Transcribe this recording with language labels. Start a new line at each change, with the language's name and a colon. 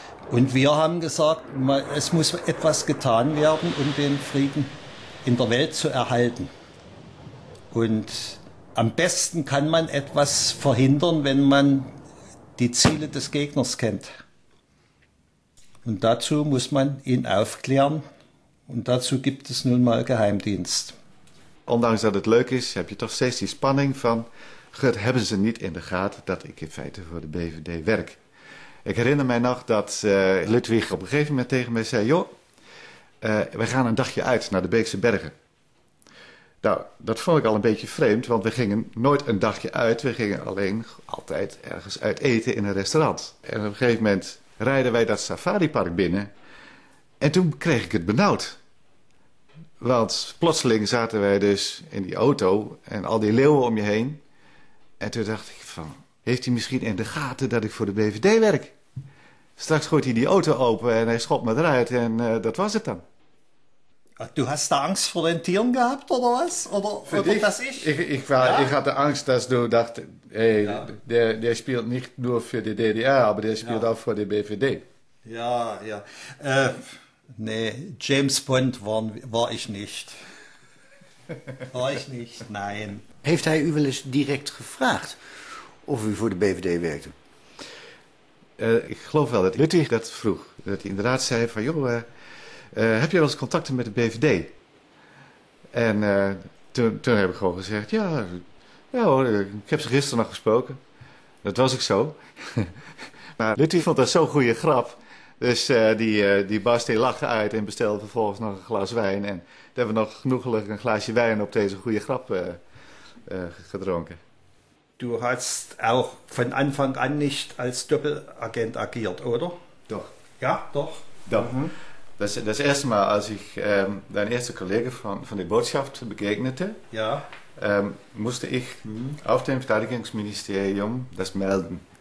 German: Und wir haben gesagt, es muss etwas getan werden, um den Frieden in der Welt zu erhalten. Und am besten kann man etwas verhindern, wenn man die Ziele des Gegners kennt. Und dazu muss man ihn aufklären. Und dazu gibt es nun mal Geheimdienst.
Dutch: Ondanks dat het leuk is, heb je toch steeds die spanning van, Gut, hebben ze niet in de gaten dat ik in feite voor de BVD werk? Ik herinner mij nog dat Ludwig op een gegeven moment tegen mij zei, joh, we gaan een dagje uit naar de Beekse Bergen. Nou, dat vond ik al een beetje vreemd, want we gingen nooit een dagje uit. We gingen alleen altijd ergens uit eten in een restaurant. En op een gegeven moment rijden wij dat safaripark binnen. En toen kreeg ik het benauwd. Want plotseling zaten wij dus in die auto en al die leeuwen om je heen. En toen dacht ik van, heeft hij misschien in de gaten dat ik voor de BVD werk? Straks gooit hij die auto open en hij schopt me eruit en dat was het dan.
German: Du hast de angst voor den Tieren gehad, of was?
Dutch: Ik had de angst dat du dacht, der speelt niet nur voor de DDR, maar der speelt ook voor de BVD. Ja, ja.
German: Nee, James Bond war ich nicht. War ich nicht, nein.
Dutch: Heeft hij u wel eens direct gevraagd of u voor de BVD werkte? Ik geloof wel dat Lüttich dat vroeg. Dat hij inderdaad zei van, joh, heb je wel eens contacten met de BVD? En toen heb ik gewoon gezegd, ja hoor, ik heb ze gisteren nog gesproken. Dat was ik zo. Maar Lüttich vond dat zo'n goede grap. Dus die barst in lachen uit en bestelde vervolgens nog een glas wijn. En toen hebben we nog genoegelijk een glaasje wijn op deze goede grap gedronken.
German: Du hast auch von Anfang an nicht als Doppelagent agiert, oder? Doch. Ja, doch. Doch. Mhm. Das erste Mal, als ich deinen ersten Kollegen von der Botschaft begegnete, ja. Musste ich auf dem Verteidigungsministerium das melden.